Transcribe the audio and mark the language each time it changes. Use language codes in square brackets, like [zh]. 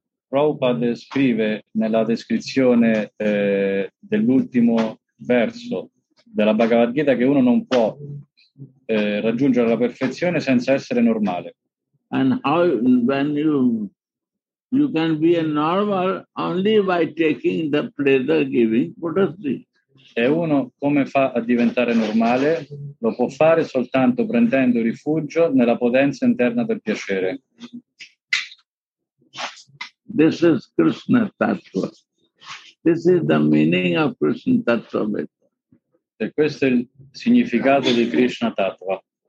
[it] Prabhupada scrive nella descrizione dell'ultimo verso della Bhagavad Gita che uno non può raggiungere la perfezione senza essere normale. [en] And how when you can be a normal only by taking the pleasure giving potency. [it] E uno come fa a diventare normale? Lo può fare soltanto prendendo rifugio nella potenza interna del piacere. [en] This is Krishna Tattva. This is the meaning of Krishna Tattva. [it] E questo è il significato di Krishna Tattva.